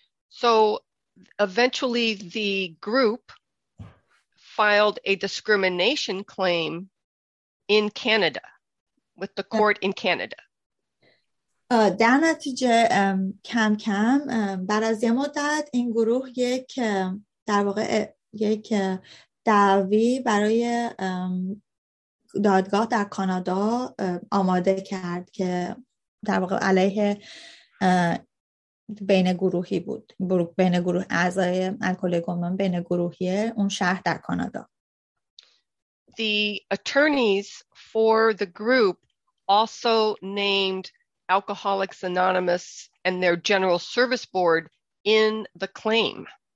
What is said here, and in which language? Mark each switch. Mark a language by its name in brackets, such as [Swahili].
[English] So eventually the group filed a discrimination claim in Canada with the court in Canada. [Persian] در نتیجه کم کم بعد از یه مدت این گروه یک در واقع یک دعوی برای دادگاه در کانادا آماده کرد که در واقع علیه بین گروهی بود، بین گروه اعضای الکلگومن بین گروهی اون شهر در کانادا. [English] The attorneys for the group also named Alcoholics Anonymous and their General Service Board in the claim.